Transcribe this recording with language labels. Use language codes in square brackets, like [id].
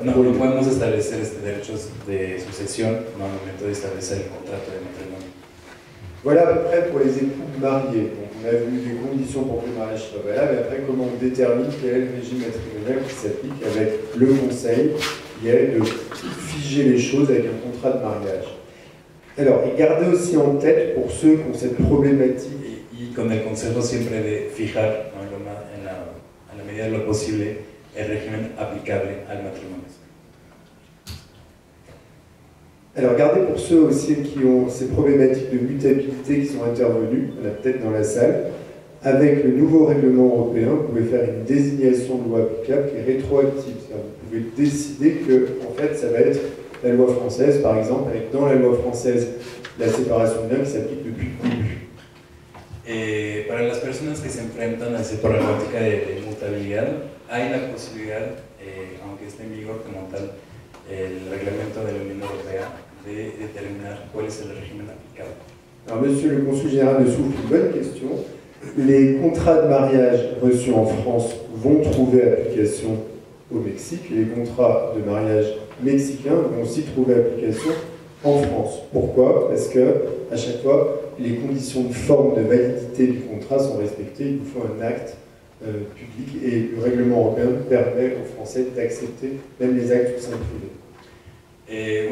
[es] No, no podemos establecer este derechos de sucesión, no, al momento de establecer el contrato de matrimonio. [fr] Voilà à peu près pour les époux mariés. Donc, on a vu les conditions pour que le mariage soit valable, et après comment on détermine quel est le régime matrimonial qui s'applique avec le conseil, qui est de figer les choses avec un contrat de mariage. Alors, et gardez aussi en tête pour ceux qui ont cette problématique. [es] Y con el consejo siempre de fijar, ¿no? en la medida de lo posible, el régimen aplicable al matrimonio. [fr] Alors, gardez pour ceux aussi qui ont ces problématiques de mutabilité qui sont intervenues, on a peut-être dans la salle, avec le nouveau règlement européen, vous pouvez faire une désignation de loi applicable qui est rétroactive. C'est-à-dire vous pouvez décider que, en fait, ça va être la loi française, par exemple, avec dans la loi française la séparation de biens qui s'applique depuis le début. [es] Para las personas que se enfrentan a esa problemática de mutabilidad, hay la posibilidad, aunque esté en vigor como tal el reglamento de la Unión Europea, de determinar cuál es el régimen aplicable. [fr] Alors, monsieur le consul général de Souffle, une bonne question. Les contrats de mariage reçus en France vont trouver application au Mexique, et les contrats de mariage mexicains vont aussi trouver application en France. Pourquoi? Parce que, à chaque fois, les conditions de forme de validité du contrat sont respectées, il vous faut un acte public et le règlement européen permet aux Français d'accepter même les actes au sein du privé.